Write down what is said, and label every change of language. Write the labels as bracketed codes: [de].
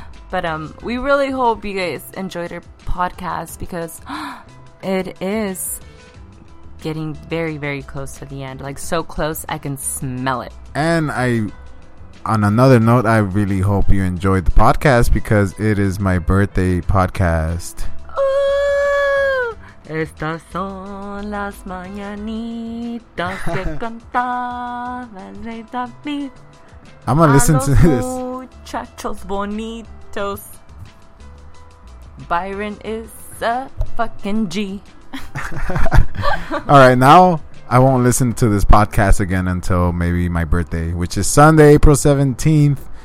[en] But we really hope you guys enjoyed our podcast, because it is getting very, very close to the end. Like, so close, I can smell it. And on another note, I really hope you enjoyed the podcast, because it is my birthday podcast. [es] Ooh, estas son las mañanitas que cantaba el rey David. [en] I'm going to listen to this. [es] Muchachos bonitos. [en] Byron is a fucking G. All right, now I won't listen to this podcast again until maybe my birthday, which is Sunday, April 17th.